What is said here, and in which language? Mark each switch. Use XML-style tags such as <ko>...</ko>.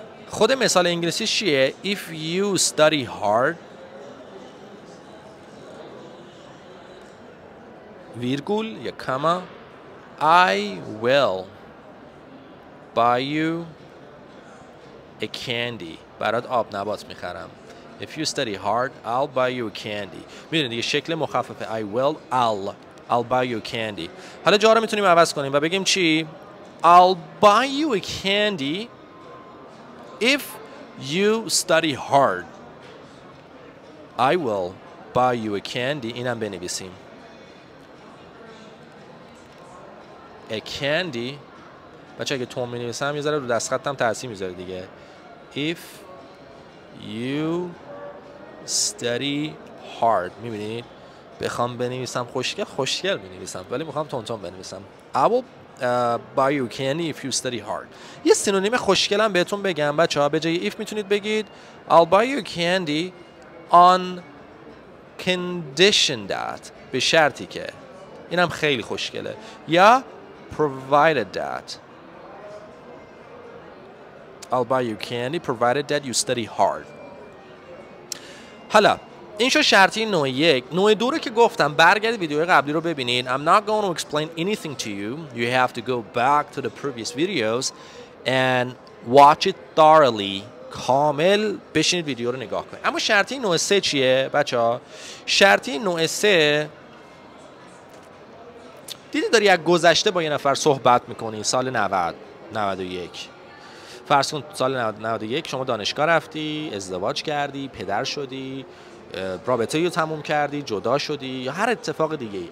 <fa>خود مثال انگلیسی چیه؟</fa> <en>If you study hard</en> <fa>ویرگول یا کما،</fa> <en>I will buy you a candy،</en> <fa>برات آب نبات میخرم.</fa> <en>If you study hard I'll buy you a candy.</en> <fa>میدونید یه شکل مخففه،</fa> <en>I will، I'll buy you a candy.</en> <fa>حالا جا رو میتونیم عوض کنیم و بگیم چی؟</fa> <en>I'll buy you a candy if you study hard. I will buy you a candy.</en> <fa>اینم بنویسیم.</fa> <en>A candy.</en> <fa>بچه اگه تون می‌نویسم یه ذره رو دست خطم تأثیر می‌ذاره دیگه.</fa> <en>If you study hard.</en> <fa>می‌بینید؟ بخوام بنویسم خوشگل می‌نویسم، ولی می‌خوام تون تون بنویسم.</fa> <en>I will buy you candy if you study hard.</en> <fa>یه سینونیم خوشگل هم بهتون بگم بچه ها، به جای if میتونید بگید</fa> <en>I'll buy you candy on condition that،</en> <fa>به شرطی که. اینم خیلی خوشگله.</fa> <en>یا provided that، I'll buy you candy provided that you study hard.</en> <fa>حالا این شو شرطی نوع یک. نوع دو رو که گفتم برگردید ویدیو قبلی رو ببینید.</fa> <en>I'm not going to explain anything to you. You have to go back to the previous videos and watch it thoroughly</en> <fa>کامل بشینید ویدیو رو نگاه کنید. اما شرطی نوع 3 چیه بچه ها؟ شرطی نوع 3 دیدی داری از گذشته با یه نفر صحبت میکنی، سال 90-91 فرض کن، سال 91 شما دانشگاه رفتی، ازدواج کردی، پدر شدی، رابطه رو تموم کردی، جدا شدی یا هر اتفاق دیگه ای.</fa>